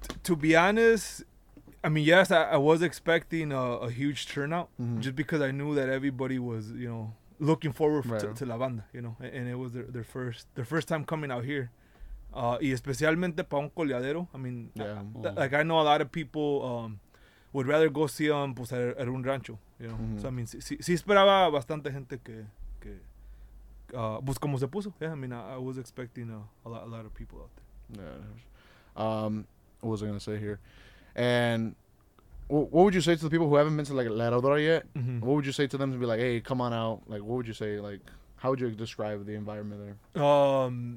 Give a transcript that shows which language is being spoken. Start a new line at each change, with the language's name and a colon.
English: I mean, to be honest, yes, I was expecting a huge turnout just because I knew that everybody was, you know, looking forward to La Banda, you know, and it was their first time coming out here.
Spanish: Y especialmente para un coleadero.
English: I mean, like, I know a lot of people would rather go see them pues, at un rancho. You know, so I mean,
Spanish: si esperaba bastante gente que pues como se puso.
English: Yeah, I mean, I was expecting a lot of people out there. Yeah. What was I gonna say here? And what would you say to the people who haven't been to like La Herradura yet? Mm-hmm. What would you say to them to be like, hey, come on out? Like, what would you say? Like, how would you describe the environment there?